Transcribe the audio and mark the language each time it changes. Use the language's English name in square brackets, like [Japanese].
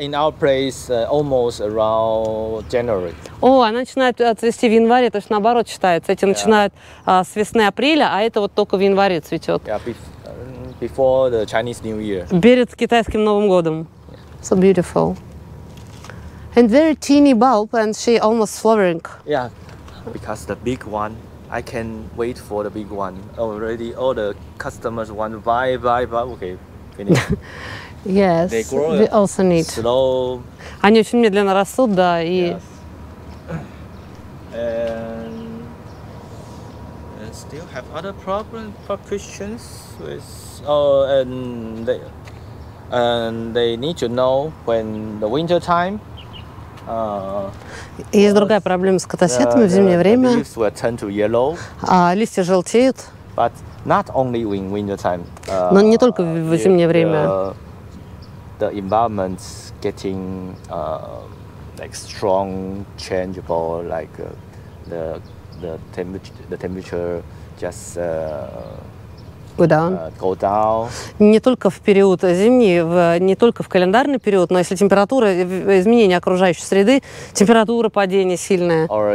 [English] In our place, almost around January. [Russian] О, она начинает цвести в январе, то есть наоборот считается. Эти начинают с весны апреля, а это вот только в январе цветет. [English] Yeah, before the Chinese New Year. [Russian] Перед китайским Новым годом. [English] Yeah. So beautiful. And very teeny bulb, and she almost flowering. Yeah, because the big one. I can wait for the big one. Already all the customers want to buy, buy, buy. Okay, finish. Yes, they grow we also need. Slow. [Russian] Они очень медленно растут, да, и... [English] Yes. And still have other problems for Christians with... Oh, and they need to know when the winter time. [Russian] Есть другая проблема с катасетами в зимнее время. [English] The leaves will turn to yellow. [Russian] Листья желтеют. [English] But not only in winter time. [Russian] Но не только в зимнее время. [English] The environment getting like strong changeable, like the temperature just Go down. [Russian] Не только в период зимний, не только в календарный период, но если температура, изменение окружающей среды, температура падения сильная.